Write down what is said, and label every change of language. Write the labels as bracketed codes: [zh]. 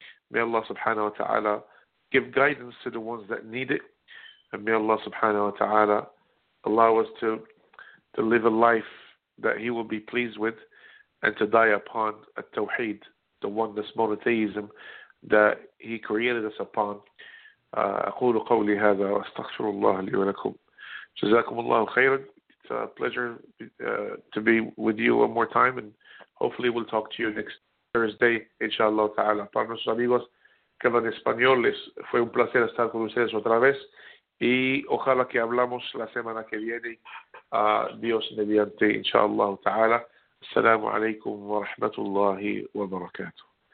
[en] May Allah subhanahu wa ta'ala give guidance to the ones that need it. And may Allah subhanahu wa ta'ala allow us to live a life that He will be pleased with, and to die upon a tawheed, the oneness monotheism that He created us upon. [ar] أقول قولي هذا وأستغفر الله لي ولكم جزاكم الله خيرا. [en] It's a pleasure to be with you one more time, and hopefully we'll talk to you next Thursday, inshallah ta'ala. [es] Para nuestros amigos que hablan español, fue un placer estar con ustedes otra vez, y ojalá que hablamos la semana que viene, Dios mediante, inshallah ta'ala. [ar] Assalamu alaikum wa rahmatullahi wa barakatuh.